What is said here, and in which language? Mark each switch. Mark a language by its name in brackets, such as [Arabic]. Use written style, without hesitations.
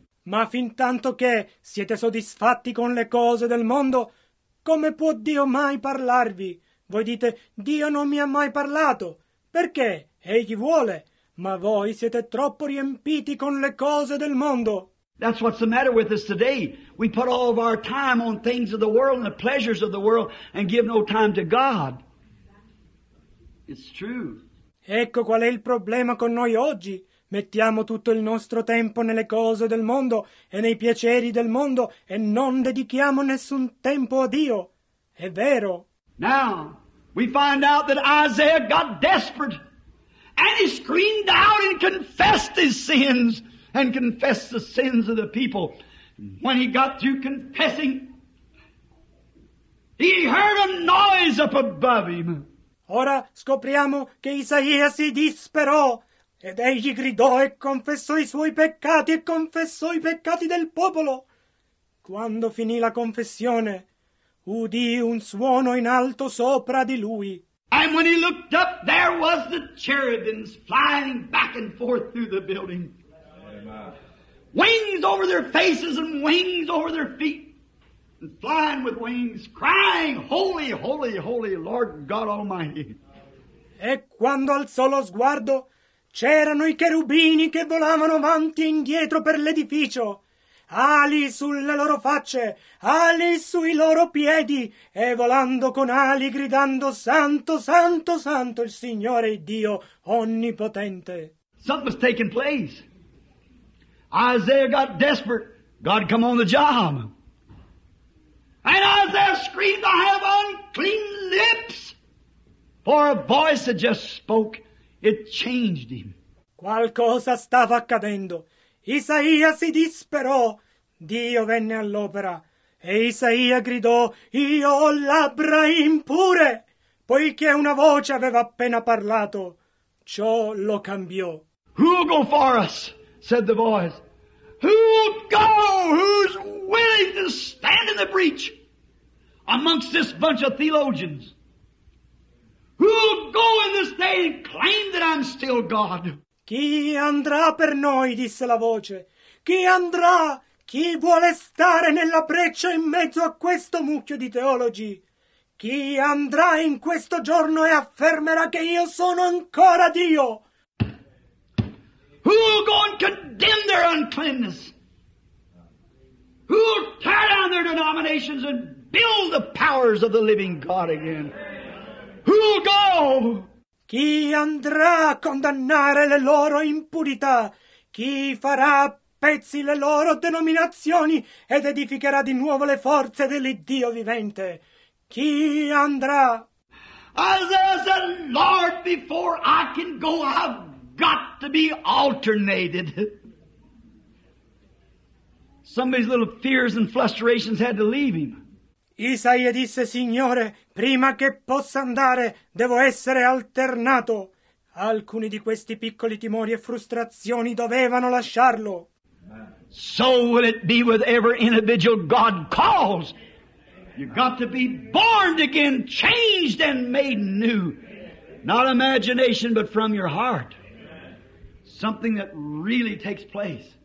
[Italian] Ma fin tanto che siete soddisfatti con le cose del mondo, come può Dio mai parlarvi? Voi dite, Dio non mi ha mai parlato. Perché? Egli vuole. Ma voi siete troppo riempiti con le cose del mondo. [English] That's what's the matter with us today. We put all of our time on things of the world and the pleasures of the world and give no time to God. It's true. [Italian] Ecco qual è il problema con noi oggi. Mettiamo tutto il nostro tempo nelle cose del mondo e nei piaceri del mondo e non dedichiamo nessun tempo a Dio. È vero. [English] Now, we find out that Isaiah got desperate and he screamed out and confessed his sins. And confess the sins of the people. When he got through confessing, he heard a noise up above him. [Italian] Ora scopriamo che Isaia si disperò ed egli gridò e confessò i suoi peccati e confessò i peccati del popolo. Quando finì la confessione, udì un suono in alto sopra di lui. [English] And when he looked up, there was the cherubims flying back and forth through the building. Wings over their faces and wings over their feet, and flying with wings, crying, Holy, holy, holy, Lord God Almighty. [Italian] E quando alzò lo sguardo, c'erano i cherubini che volavano avanti e indietro per l'edificio, ali sulle loro facce, ali sui loro piedi, e volando con ali gridando, Santo, Santo, Santo, il Signore Dio Onnipotente. [English] Something was taking place. Isaiah got desperate. God come on the job. And Isaiah screamed, I have unclean lips. For a voice had just spoke. It changed him. [Italian] Qualcosa stava accadendo. Isaia si disperò. Dio venne all'opera. E Isaia gridò, Io ho labbra impure. Poiché una voce aveva appena parlato. Ciò lo cambiò. [English] Who will go for us? Said the voice. Who will go? Who's willing to stand in the breach amongst this bunch of theologians? Who will go in this day and claim that I'm still God? [Italian] Chi andrà per noi? Disse la voce. Chi andrà? Chi vuole stare nella breccia in mezzo a questo mucchio di teologi? Chi andrà in questo giorno e affermerà che io sono ancora Dio? [English] Who will go and condemn their uncleanness? Who will tear down their denominations and build the powers of the living God again? Who will go? [Italian] Chi andrà a condannare le loro impurità? Chi farà a pezzi le loro denominazioni ed edificherà di nuovo le forze dell'Iddio vivente? Chi andrà? [English] Isaiah said, Lord, before I can go out, got to be alternated. Somebody's little fears and frustrations had to leave him. [Italian] Isaia disse, Signore, prima che possa andare, devo essere alternato. Alcuni di questi piccoli timori e frustrazioni dovevano lasciarlo. [English] So will it be with every individual God calls. You've got to be born again, changed and made new. Not imagination, but from your heart. Something that really takes place.